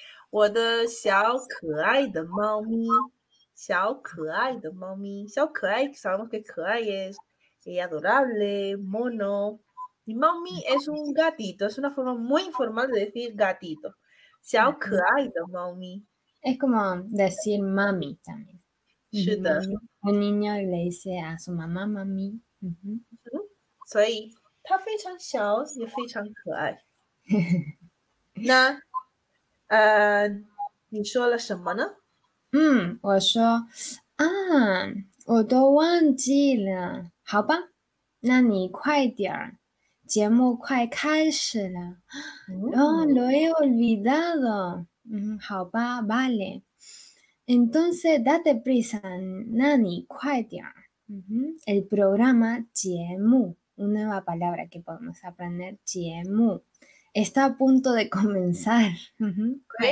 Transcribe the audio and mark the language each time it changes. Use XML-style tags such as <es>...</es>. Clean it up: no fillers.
<zh>我的小可爱的猫咪, 小可爱的猫咪, 小可爱,</zh> <es>sabemos que 可爱 es, y adorable, mono,Y mami es un gatito, es una forma muy informal de decir gatito.</es> <zh>Xiao kai de mami.</zh> <es>Es como decir mami también. Un niño le dice a su mamá, mami.</es> <zh>所以它非常小，也非常可爱。那，你说了什么呢？我说啊，我都忘记了，好吧，那你快点儿，节目快开始了。</zh> <es>Oh, lo he olvidado.</es> <zh>好吧，</zh> <es>vale. Entonces, date prisa, Nani,</es> <zh>快点儿。</zh> <es>El programa, 节目，una nueva palabra que podemos aprender, 节目，está a punto de comenzar.</es> <zh>快</zh>